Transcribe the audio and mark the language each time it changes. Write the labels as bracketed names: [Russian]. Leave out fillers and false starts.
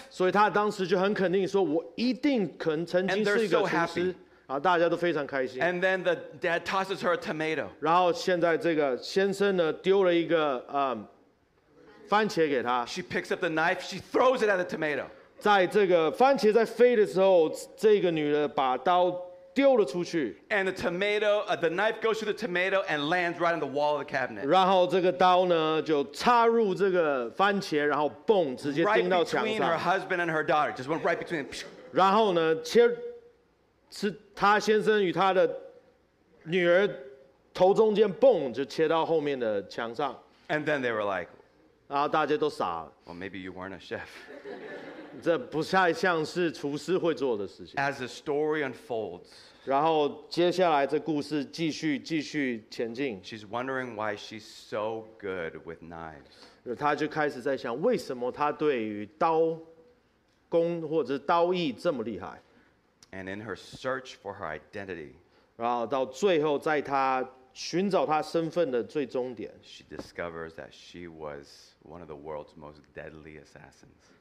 [Chinese] 所以他当时就很肯定说，我一定可能曾经是一个厨师。然后大家都非常开心。 [English] And then the dad tosses her a tomato. [Chinese] 然后现在这个先生呢，丢了一个番茄给他。 [English] She picks up the knife, she throws it at the tomato. [Chinese] 在这个番茄在飞的时候，这个女的把刀。丢了出去 [English] and the knife goes through the tomato and lands right on the wall of the cabinet. [Chinese] 然后这个刀呢就插入这个番茄，然后嘣，直接钉到墙上。 [English] Right between her husband and her daughter, just went right between. [Chinese] 然后呢，是他先生与他的女儿头中间，嘣，就切到后面的墙上。 [English] And then they were like, [Chinese] 然后大家都傻了。 [English] Well, maybe you weren't a chef. [Chinese] 这不太像是厨师会做的事情。 [English] As the story unfolds, [Chinese] 然后接下来这故事继续前进。 [English] She's wondering why she's so good with knives. [Chinese] 她就开始在想，为什么她对于刀工或者刀艺这么厉害。 [English] And in her search for her identity, [Chinese] 然后到最后，在她寻找她身份的最终点 [English] ，She discovers that she was one of the world's most deadly assassins.